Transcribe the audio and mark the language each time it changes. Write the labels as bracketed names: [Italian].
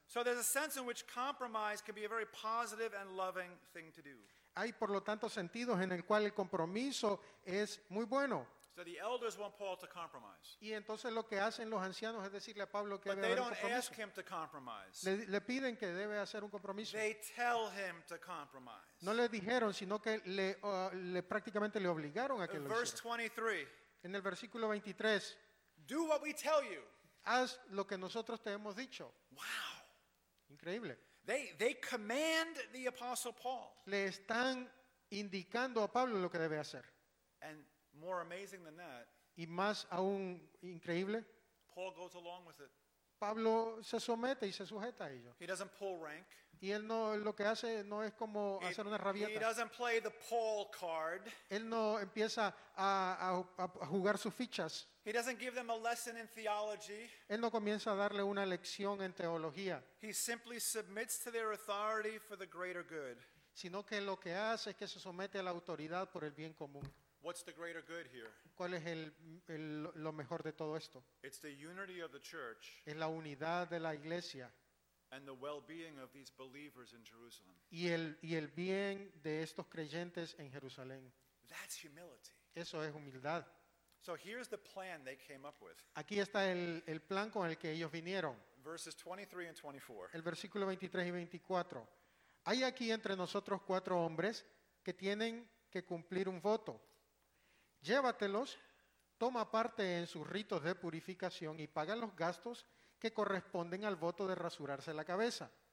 [English] So there's a sense in which compromise can be a very positive and loving thing to do. [Spanish] Hay, por lo tanto, sentidos en el cual el compromiso es muy bueno. [English] So the elders want Paul to compromise. [Spanish] Y entonces lo que hacen los ancianos es decirle a Pablo que [English] But [Spanish] debe [English] they [Spanish] haber [English] don't [Spanish] un compromiso. [English] Ask him to compromise. [Spanish] Le piden que debe hacer un compromiso. [English] They tell him to compromise. [Spanish] No le dijeron, sino que le prácticamente le obligaron a que [English] Verse [Spanish] lo hiciera. [English] 23. [Spanish] En el versículo 23. [English] Do what we tell you. [Spanish] Haz lo que nosotros te hemos dicho. [English] Wow. [Spanish] Increíble. [English] They command the apostle Paul. [Spanish] Le están indicando a Pablo lo que debe hacer. [English] And more amazing than that. [Spanish] Y más aún increíble. [English] Paul goes along with it. [Spanish] Pablo se somete y se sujeta a ello. [English] He doesn't pull rank. [Spanish] Y él no lo que hace no es como hacer una rabieta. [English] He doesn't play the Paul card. [Spanish] Él no empieza a jugar sus fichas. [English] He doesn't give them a lesson in theology. [Spanish] Él no comienza a darle una lección en teología. [English] He simply submits to their authority for the greater good. [Spanish] Sino que lo que hace es que se somete a la autoridad por el bien común. [English] What's the greater good here? [Spanish] ¿Cuál es lo mejor de todo esto? [English] It's the unity of the church. [Spanish] Es la unidad de la iglesia. [English] And the well-being of these believers in Jerusalem. [Spanish] Y el bien de estos creyentes en Jerusalén. [English] That's humility. [Spanish] Eso es humildad. [English] So here's the plan they came up with. [Spanish] Aquí está el plan con el que ellos vinieron. [English] Verses 23 and 24. [Spanish] El versículo 23 y 24. Hay aquí entre nosotros cuatro hombres que tienen que cumplir un voto. Llévatelos toma parte en sus ritos de purificación y paga los gastos que corresponden al voto de rasurarse la cabeza.